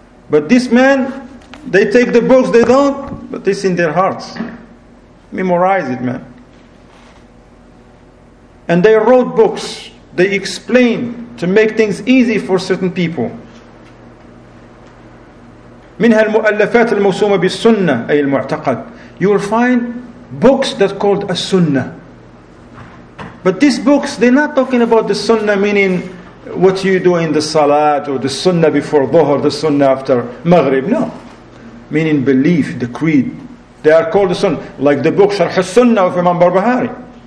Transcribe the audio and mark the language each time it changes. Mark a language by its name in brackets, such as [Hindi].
[English] But this man, they take the books, they don't, but it's in their hearts. Memorize it, man. And they wrote books, they explained to make things easy for certain people. [Arabic] منها المؤلفات الموسومة بالسنة أي المعتقد. [English] You will find books that called a sunnah. But these books, they're not talking about the sunnah, meaning what you do in the salat, or the sunnah before dhuhr, the sunnah after maghrib. No. Meaning belief, the creed. They are called the sunnah. Like the book, Sharh al-Sunnah of Imam Barbahari.